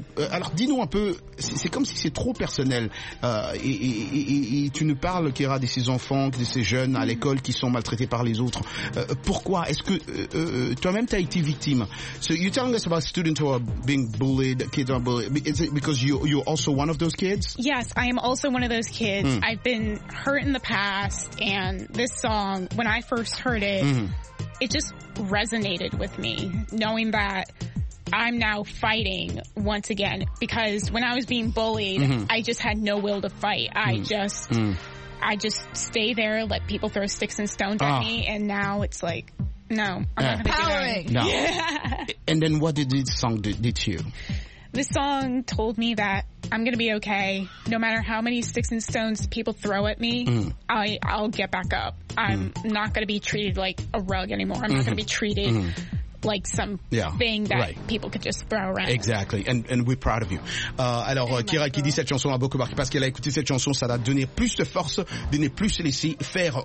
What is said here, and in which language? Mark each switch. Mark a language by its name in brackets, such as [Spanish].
[French] Alors dis-nous un peu, c'est comme si c'est trop personnel et tu nous parles Kira de ces enfants, de ces jeunes à l'école qui sont maltraités par les autres. Pourquoi est-ce que toi-même t'as été victime? [English] So you're telling us about students who are being bullied, kids are bullied. Is it because you're also one of those kids? Yes, I am also one of those kids. Mm. I've been hurt in the past and this song, when I first heard it, it just resonated with me, knowing that I'm now fighting once again because when I was being bullied, I just had no will to fight. I just stay there, let people throw sticks and stones at me, and now it's like, no, I'm not gonna powering. No. And then what did this song do to you? This song told me that I'm gonna be okay. No matter how many sticks and stones people throw at me, I'll get back up. I'm not gonna be treated like a rug anymore. I'm not gonna be treated like some thing that people could just throw around. Exactly, and we're proud of you. [French] Alors, hey, Kira qui dit cette chanson a beaucoup marqué parce qu'elle a écouté cette chanson, ça l'a donné plus de force de ne plus se laisser faire.